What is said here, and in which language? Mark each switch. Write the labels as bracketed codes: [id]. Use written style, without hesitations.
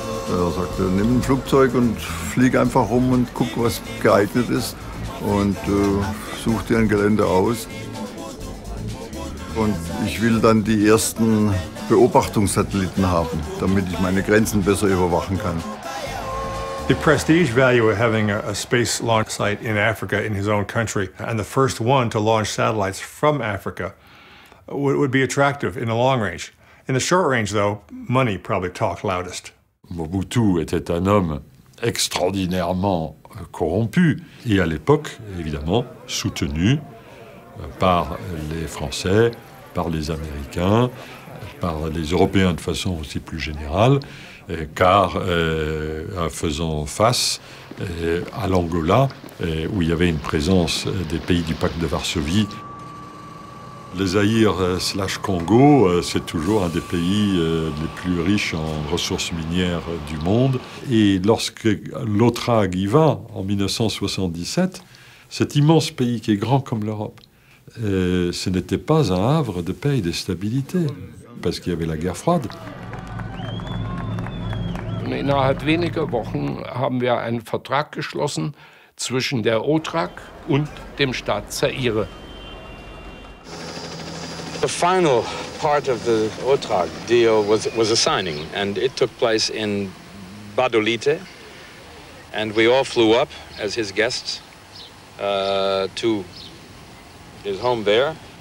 [de] Er sagte, nimm ein Flugzeug und flieg einfach rum und guck, was geeignet ist und such dir ein Gelände aus. Und ich will dann die ersten Beobachtungssatelliten haben, damit ich meine Grenzen besser überwachen kann. [en] The prestige value of having a space launch site in Africa in his own country and the first one to launch satellites from Africa would be attractive in the long range. In the short range, though, money probably talked loudest. [fr] Mobutu était un homme extraordinairement corrompu et à l'époque, évidemment, soutenu par les Français, par les Américains, par les Européens de façon aussi plus générale. Car faisant face à l'Angola, où il y avait une présence des pays du pacte de Varsovie. Le Zaïre / Congo, c'est toujours un des pays les plus riches en ressources minières du monde. Et lorsque l'Otrag y va, en 1977, cet immense pays qui est grand comme l'Europe, ce n'était pas un havre de paix et de stabilité, parce qu'il y avait la guerre froide. [de] Und innerhalb weniger Wochen haben wir einen Vertrag geschlossen zwischen der OTRAG und dem Staat Zaire. [en] The final part of the OTRAG deal was a signing and it took place in Badolite and we all flew up as his guests to his home there.